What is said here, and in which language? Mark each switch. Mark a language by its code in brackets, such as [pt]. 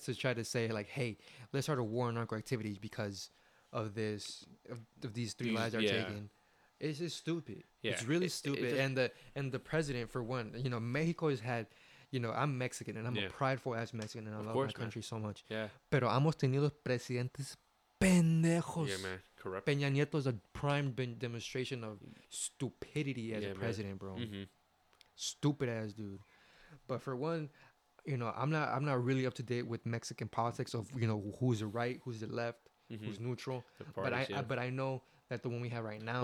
[en] to try to say, like, hey, let's start a war on narco activity because of this, of these three lives are taken. It's just stupid. Yeah. It's really stupid. And the president, for one, Mexico has had, I'm Mexican and I'm a prideful ass Mexican and I love my country so much. Yeah. [es] Pero hemos tenido presidentes pendejos. [en] Yeah, man. Corrupt. Peña Nieto is a prime demonstration of stupidity as a president, man. Bro. Mm-hmm. Stupid ass dude. But for one, I'm not really up to date with Mexican politics of who's the right, who's the left, mm-hmm. who's neutral. But I know that the one we have right now,